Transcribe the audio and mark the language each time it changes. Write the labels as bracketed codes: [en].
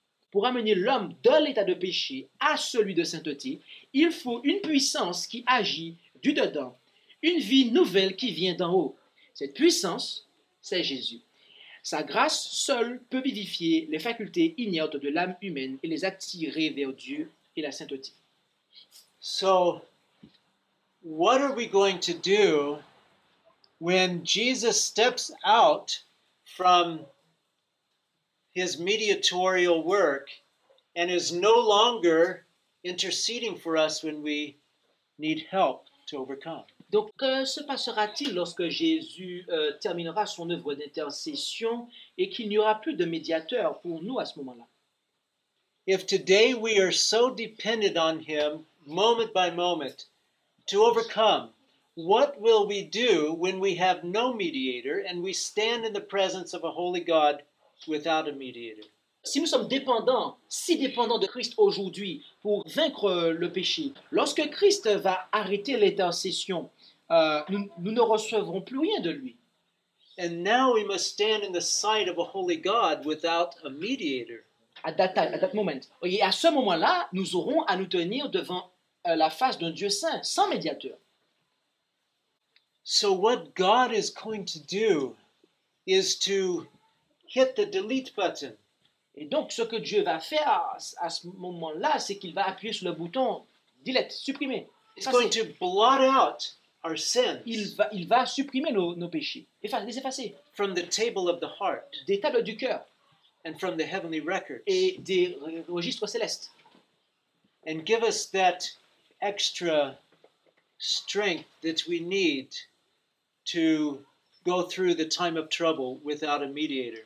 [fr] Pour amener l'homme de l'état de péché à celui de sainteté, il faut une puissance qui agit du dedans, une vie nouvelle qui vient d'en haut. Cette puissance, c'est Jésus. Sa grâce seule peut vivifier les facultés ignorantes de l'âme humaine et les attirer vers Dieu et la sainteté. [en] So, what are we going to do when Jesus steps out from his mediatorial work and is no longer interceding for us when we need help to overcome? [fr] Donc, se passera-t-il lorsque Jésus terminera son œuvre d'intercession et qu'il n'y aura plus de médiateur pour nous à ce moment-là? [en] If today we are so dependent on him moment by moment to overcome, what will we do when we have no mediator and we stand in the presence of a holy God without a mediator? [fr] Si nous sommes dépendants, si dépendants de Christ aujourd'hui pour vaincre le péché, lorsque Christ va arrêter l'intercession, nous ne recevrons plus rien de lui. [en] And now we must stand in the sight of a holy God without a mediator. At that moment. [fr] Et à ce moment-là, nous aurons à nous tenir devant la face d'un Dieu saint, sans médiateur. [en] So what God is going to do is to hit the delete button. [fr] Et donc, ce que Dieu va faire à ce moment-là, c'est qu'il va appuyer sur le bouton delete, supprimer. [en] He's going to blot out our sins. [fr] Il va supprimer nos péchés, les effacer. [en] From the table of the heart. [fr] Des tables du cœur. [en] And from the heavenly records. [fr] Et des registres célestes. [en] And give us that extra strength that we need to go through the time of trouble without a mediator.